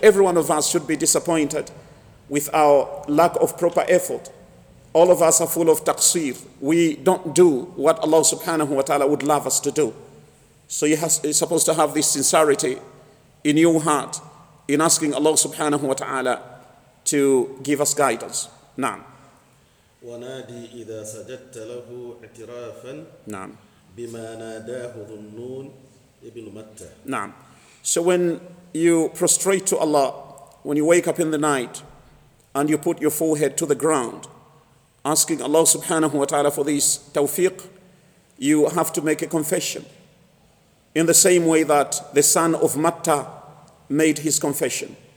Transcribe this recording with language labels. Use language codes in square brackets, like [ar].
[en] Every one of us should be disappointed with our lack of proper effort. All of us are full of taqseer. We don't do what Allah subhanahu wa ta'ala would love us to do. So you're supposed to have this sincerity in your heart in asking Allah subhanahu wa ta'ala to give us guidance. [ar] Naam. ونادي إذا سجدت له اعترافا نعم بما ناداه ذن نون ابن متى. نعم. [en] So when you prostrate to Allah, when you wake up in the night and you put your forehead to the ground asking Allah subhanahu wa ta'ala for this tawfiq, you have to make a confession in the same way that the son of Matta made his confession.